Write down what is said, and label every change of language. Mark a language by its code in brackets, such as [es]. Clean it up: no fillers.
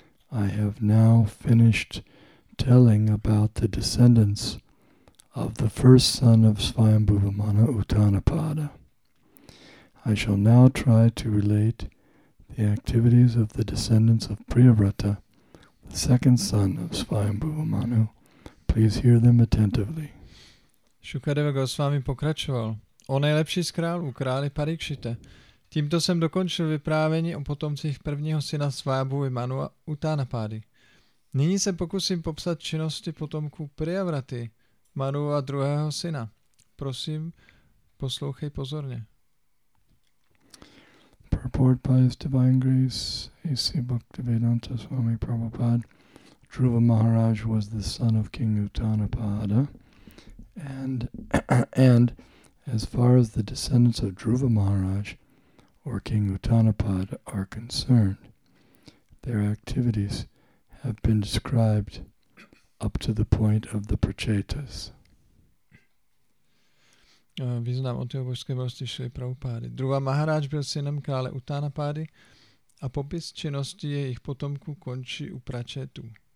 [en] I have now finished telling about the descendants of the first son of Svayambhuva Manu, Uttanapada. I shall now try to relate the activities of the descendants of Priyavrata, the second son of Svayambhuva Manu. Please hear them attentively. [cs] Shukadeva Goswami pokračoval. O nejlepší z králů, králi Parikšite. Tímto jsem dokončil vyprávění o potomcích prvního syna Svayambhuvy Manu Uttanapady. Nyní se pokusím popsat činnosti potomků Priyavraty, Manuva druhého syna. Prosím, poslouchej pozorně. [en] Purport by His Divine Grace, A.C. Bhaktivedanta Swami Prabhupada, Dhruva Maharaj was the son of King Uttanapada, and as far as the descendants of Dhruva Maharaj, or King Uttanapada, are concerned. Their activities have been described up to the point of the Prachetas. [cs] Význam o té obožské milosti Šrily Prabhupády. Dhruva Maharaj byl synem krále Uttanapády. a popis činnosti jejich potomků končí u pračetů.